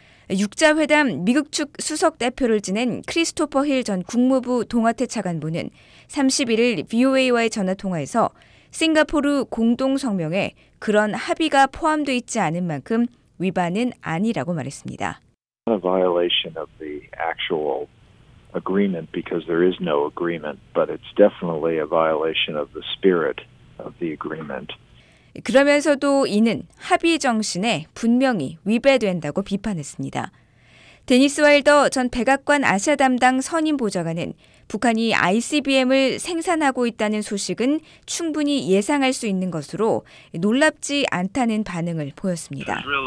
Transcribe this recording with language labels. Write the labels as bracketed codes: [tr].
[ko] 6자회담 미국 측 수석대표를 지낸 크리스토퍼 힐 전 국무부 동아태 차관보는 31일 VOA와의 전화통화에서 싱가포르 공동성명에 그런 합의가 포함되어 있지 않은 만큼 위반은 아니라고 말했습니다. [en] A violation of the actual agreement because there is no agreement, but it's definitely a violation of the spirit of the agreement. [ko] 그러면서도 이는 합의 정신에 분명히 위배된다고 비판했습니다. 데니스 와일더 전 백악관 아시아 담당 선임 보좌관은 북한이 ICBM을 생산하고 있다는 소식은 충분히 예상할 수 있는 것으로 놀랍지 않다는 반응을 보였습니다.